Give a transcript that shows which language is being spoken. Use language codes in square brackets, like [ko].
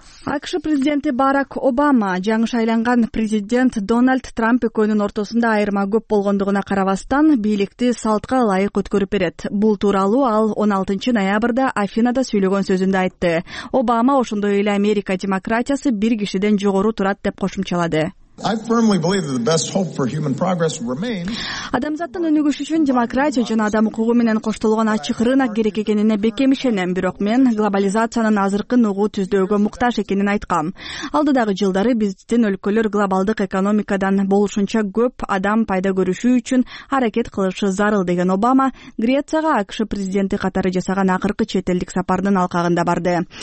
[ky] АКШ президенти Барак Обама, жаңы шайланган президент Дональд Трамп экөөнүн ортосунда айырма көп болгондугуна карабастан, бийликти салтка ылайык өткөрүп берет. Бул тууралуу ал 16 ноябрда Афинада сүйлөгөн сөзүндө айтты. Обама ошондой эле Америка демократиясы бир кишиден жогору турат деп кошумчалады. [en] I firmly believe that the best hope for human progress remains. [ky] Адамзаттын өнүгүшү үчүн демократия жана адам укугу менен коштолгон ачык рынок керек экенине бекем ишенем, бирок мен глобализациянын азыркы нугу түздөөгө муктаж экенин айткам. Алдыдагы жылдары биздин өлкөлөр глобалдык экономикадан болушунча көп адам пайда көрүшү үчүн аракет кылышы зарыл деген Обама Грецияга АКШ президенти катары жасаган акыркы чет элдик сапарынын алкагында барды.